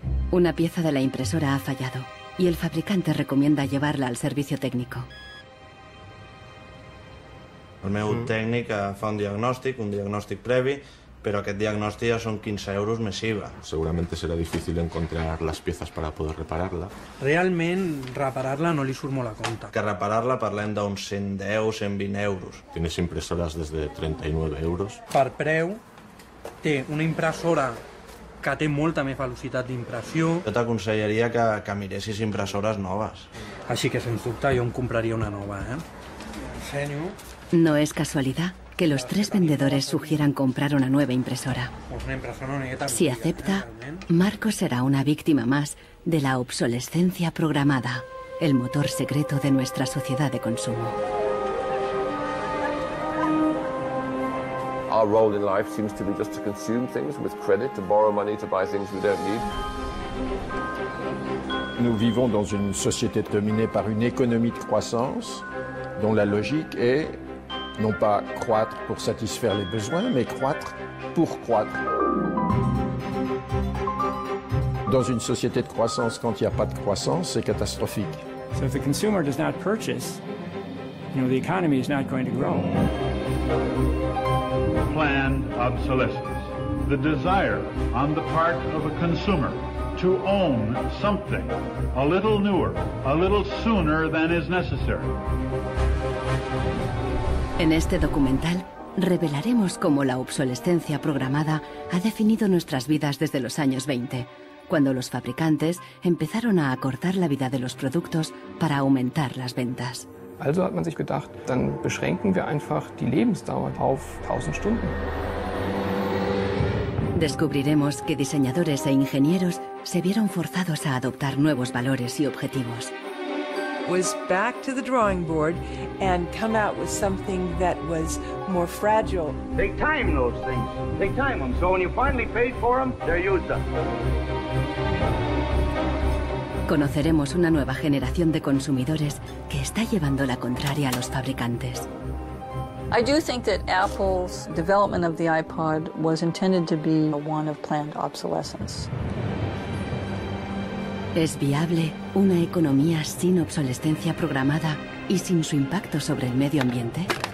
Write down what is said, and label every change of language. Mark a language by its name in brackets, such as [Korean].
[Spanish] Una pieza de la impresora ha fallado y el fabricante recomienda llevarla al servicio técnico. [Catalan] El meu tècnic fa un diagnòstic previ, però aquest diagnòstic ja són 15 euros més IVA. Segurament serà difícil encontrar les peces per poder reparar-la. Realment, reparar-la no li surt molt a compte. Que reparar-la parlem d'uns 110, 120 euros. Tienes impressores des de 39 euros. Per preu, té una impressora que té molta més velocitat d'impressió. Jo t'aconsellaria que miressis impressores noves. Així que, sens dubte, jo em compraria una nova, eh? Ensenyo. [Spanish] No es casualidad que los tres vendedores sugieran comprar una nueva impresora. Si acepta, Marcos será una víctima más de la obsolescencia programada, el motor secreto de nuestra sociedad de consumo. [English] Our role in life seems to be just to consume things with credit, to borrow money, to buy things we don't need. [French] Nous vivons dans une société dominée par une économie de croissance dont la logique est non pas croître pour satisfaire les besoins, mais croître pour croître. Dans une société de croissance, quand il n'y a pas de croissance, c'est catastrophique. [English] So if the consumer does not purchase, you know, the economy is not going to grow. Planned obsolescence. The desire on the part of a consumer to own something a little newer, a little sooner than is necessary. [Spanish] En este documental, revelaremos cómo la obsolescencia programada ha definido nuestras vidas desde los años 20, cuando los fabricantes empezaron a acortar la vida de los productos para aumentar las ventas. [German] Also hat man sich gedacht, dann beschränken wir einfach die Lebensdauer auf 1000 Stunden. [Spanish] Descubriremos que diseñadores e ingenieros se vieron forzados a adoptar nuevos valores y objetivos. [English] Was back to the drawing board and come out with something that was more fragile. Take time, those things. Take time them. So when you finally paid for them, they're used up. [Spanish] Conoceremos una nueva generación de consumidores que está llevando la contraria a los fabricantes. [English] I do think that Apple's development of the iPod was intended to be one of planned obsolescence. [Spanish] ¿Es viable una economía sin obsolescencia programada y sin su impacto sobre el medio ambiente?